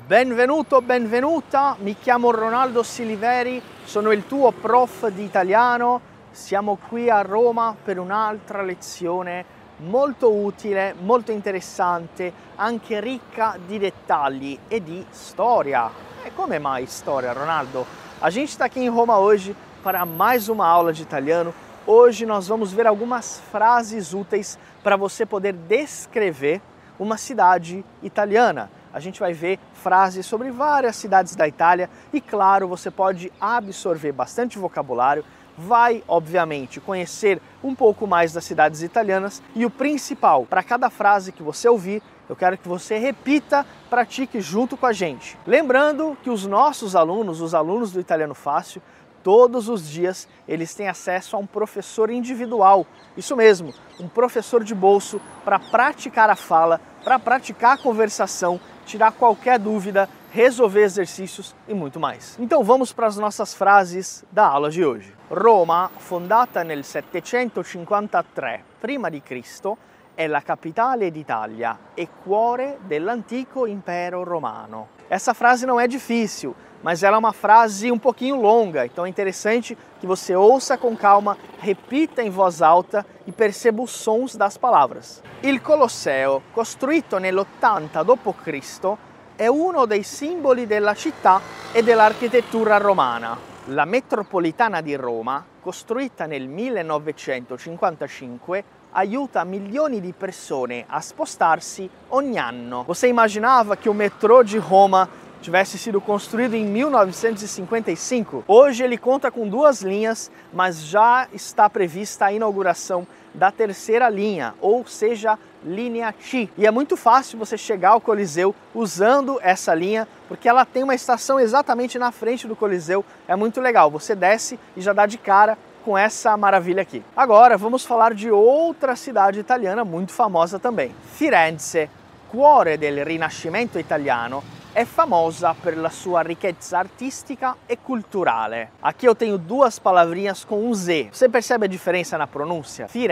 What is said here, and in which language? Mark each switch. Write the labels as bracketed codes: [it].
[it] Benvenuto, benvenuta, mi chiamo Ronaldo Siliveri, sono il tuo prof di italiano. Siamo qui a Roma per un'altra lezione molto utile, molto interessante, anche ricca di dettagli e di storia. E come mai storia, Ronaldo? [pt] A gente está aqui em Roma hoje para mais uma aula de italiano. Hoje nós vamos ver algumas frases úteis para você poder descrever uma cidade italiana. A gente vai ver frases sobre várias cidades da Itália e, claro, você pode absorver bastante vocabulário, vai, obviamente, conhecer um pouco mais das cidades italianas e o principal, para cada frase que você ouvir, eu quero que você repita, pratique junto com a gente. Lembrando que os nossos alunos, os alunos do Italiano Fácil, todos os dias eles têm acesso a um professor individual, isso mesmo, um professor de bolso para praticar a fala, para praticar a conversação, tirar qualquer dúvida, resolver exercícios e muito mais. Então vamos para as nossas frases da aula de hoje. [it] Roma, fondata nel 753 prima di Cristo, è la capitale d'Italia e cuore dell'antico impero romano. [pt] Essa frase não é difícil, mas ela é uma frase um pouquinho longa, então é interessante que você ouça com calma, repita em voz alta e perceba os sons das palavras. [it] Il Colosseo, costruito nell'80 d.C., è uno dei simboli della città e dell'architettura romana. La metropolitana di Roma, costruita nel 1955, aiuta milioni di persone a spostarsi ogni anno. [pt] Você imaginava que o metrô de Roma tivesse sido construído em 1955? Hoje ele conta com duas linhas, mas já está prevista a inauguração da terceira linha, ou seja, linha T. E é muito fácil você chegar ao Coliseu usando essa linha, porque ela tem uma estação exatamente na frente do Coliseu. É muito legal, você desce e já dá de cara com essa maravilha aqui. Agora vamos falar de outra cidade italiana muito famosa também. [it] Firenze, cuore del Rinascimento italiano, è famosa per la sua ricchezza artistica e culturale. [pt] Aqui eu tenho duas palavrinhas com um Z. Você percebe a diferença na pronúncia?